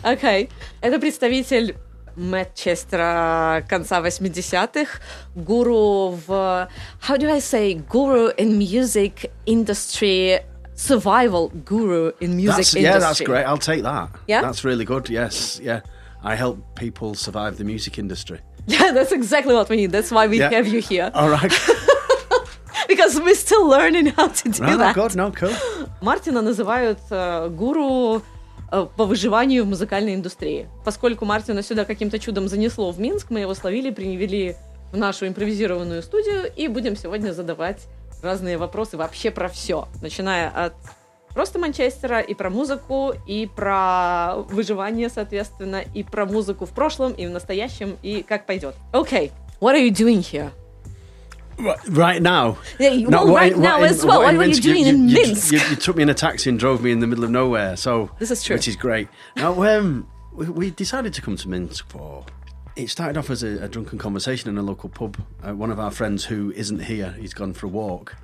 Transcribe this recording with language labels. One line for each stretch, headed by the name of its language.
Russian: Okay, это представитель Мэтчестера конца 80-х, гуру в...
English: How do I say guru in music industry... Survival guru in music industry. Yeah, that's great. I'll take that. Yeah? That's really good. Yes, yeah. I help people survive the music industry. Yeah, that's exactly what we need. That's why we have you here. All right. Because we're still learning how to do that. Oh, God, no, cool.
Russian: Мартина называют гуру по выживанию в музыкальной индустрии. Поскольку Мартина сюда каким-то чудом занесло в Минск, мы его словили, привели в нашу импровизированную студию и будем сегодня задавать... разные вопросы вообще про все, начиная от просто Манчестера и про музыку, и про выживание, соответственно, и про музыку в прошлом, и в настоящем, и как пойдет.
English: Okay, what are you doing here? Right now? Yeah, well, what are you doing in Minsk? You took me in a taxi and drove me in the middle of nowhere, so... This is true. Which is great. Now, we decided to come to Minsk for... It started off as a drunken conversation in a local pub. One of our friends who isn't here, he's gone for a walk.